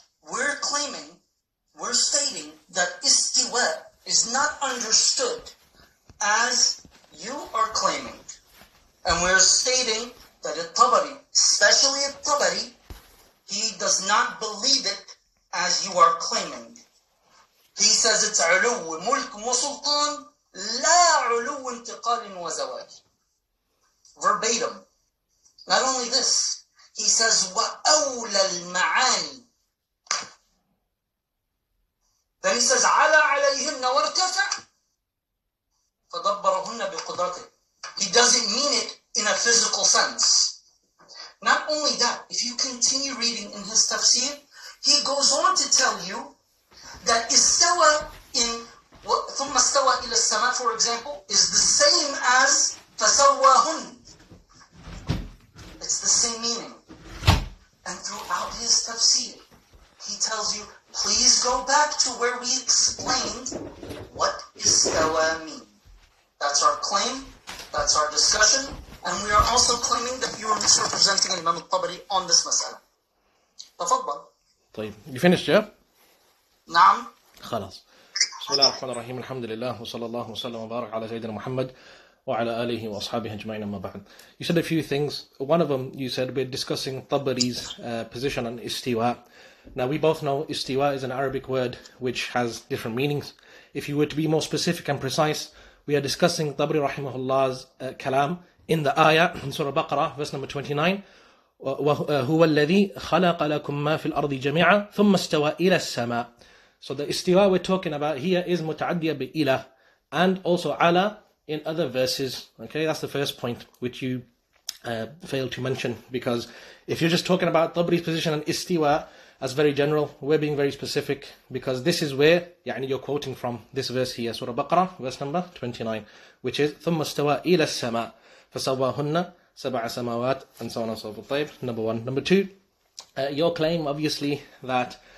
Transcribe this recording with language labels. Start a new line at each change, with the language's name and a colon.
English: We're claiming, we're stating that istiwa is not understood as you are claiming, and we are stating that al-Tabari, especially al-Tabari, he does not believe it as you are claiming. He says it's
Arabic: علو ملك وسلطان لا علو انتقال وزواج.
English: Verbatim. Not only this, he says
Arabic: وأولى المعاني.
English: Then he says
Arabic: على عليهم وارتفع. فَدَبَّرَهُنَّ بِقُدْرَتِهِ.
English: He doesn't mean it in a physical sense. Not only that, if you continue reading in his tafsir, he goes on to tell you that istawa in
Arabic: ثُمَّ اسْتَوَى إِلَى السَّمَاءِ,
English: for example, is the same as
Arabic: فَسَوَّاهُنَّ.
English: It's the same meaning. And throughout his tafsir, he tells you, please go back to where we explained what istawa means. That's our claim, that's our discussion, and we are also claiming that you are misrepresenting Imam al-Tabari on this masala. Tafadbal. طيب, you finished, yeah?
Arabic: نعم. خلاص. بسم الله الرحمن الرحيم, الحمد لله, وصلى الله وسلم وبارك على سيدنا محمد. وعلى آله وأصحابه أجمعين أما بعد.
English: You said a few things. One of them, you said we're discussing Tabari's position on istiwa. Now we both know istiwa is an Arabic word which has different meanings. If you were to be more specific and precise, we are discussing Tabari rahimahullah's kalam in the ayah in Surah Baqarah, verse number 29.
Arabic: هو الذي خلق لكم ما في الأرض جميعا ثم استوى إلى السماء.
English: So the istiwa we're talking about here is mutaaddiya bi ila and also ala in other verses. Okay, that's the first point which you failed to mention, because if you're just talking about Tabari's position on istiwa as very general, we're being very specific, because this is where يعني, you're quoting from this verse here, Surah Baqarah, verse number 29, which is
Arabic: ثُمَّ اسْتَوَى إِلَى السَّمَاءِ فَسَوَّاهُنَّ سَبْعَ سَمَوَاتٍ
English: and so on and so forth. طيب, number one. Number two, your claim obviously that